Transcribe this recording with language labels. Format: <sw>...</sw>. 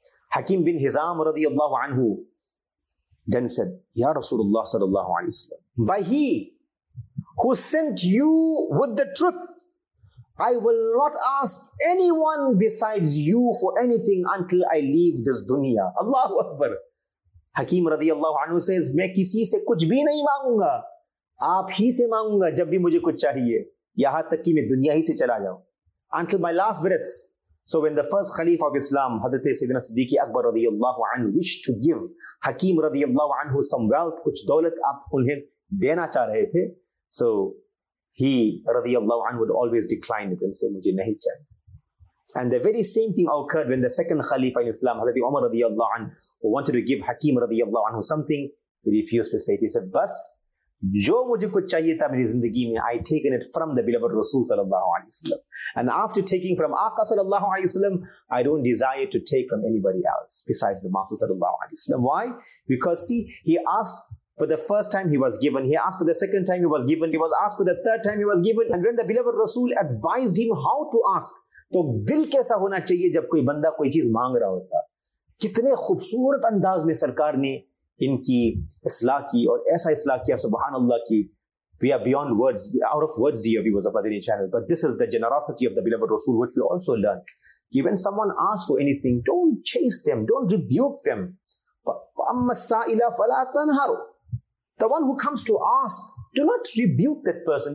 <en>Hakim bin Hizam radiyallahu anhu then said, Ya Rasulullah sallallahu alayhi wa sallam, by he who sent you with the truth, I will not ask anyone besides you for anything until I leave this dunya. Allahu Akbar.</en> <ur>Hakim radiyallahu anhu says, میں کسی سے کچھ بھی نہیں مانگوں گا, آپ ہی سے مانگوں گا جب بھی مجھے کچھ چاہیے, یہاں تک کہ میں دنیا ہی سے چلا جاؤں,</ur> <en>until my last breaths. So when the first Khalifa of Islam, حضرت سیدنا صدیق اکبر radiyallahu anhu, wished to give Hakim radiyallahu anhu some wealth,</en> <ur>کچھ دولت آپ انہیں دینا چاہ رہے تھے,</ur> <en>so he radiyallahu anhu would always decline it and say,</en> <ur>مجھے نہیں چاہیے.</ur> <en>And the very same thing occurred when the second Khalifa in Islam, Hazrat Umar radiyallahu anhu, who wanted to give Hakim radiyallahu anhu something, he refused to say it. He said,</en> <ur>"Bas, jo mujhe kuch chahiye tha meri zindagi mein,</ur> <en>I taken it from the beloved Rasul sallallahu alaihi wasallam. And after taking from Aqa sallallahu alaihi wasallam, I don't desire to take from anybody else besides the Master sallallahu alaihi wasallam. Why? Because see, he asked for the first time, he was given. He asked for the second time, he was given. He was asked for the third time, he was given. And when the beloved Rasul advised him how to ask,</en> <ur>تو دل کیسا ہونا چاہیے جب کوئی بندہ کوئی چیز مانگ رہا ہوتا, کتنے خوبصورت انداز میں سرکار نے ان کی اصلاح کی, اور ایسا اصلاح کیا سبحان اللہ کی,</ur> <en>we are beyond words, out of words, dear viewers of Madani channel. But this is the generosity of the beloved Rasul, which we also learn. When someone asks for anything, don't chase them, don't rebuke them.</en> <ar>فَأَمَّ السَّائِلَ فَلَا تَنْهَرُ,</ar> <en>The one who comes to ask, do not rebuke that person.</en>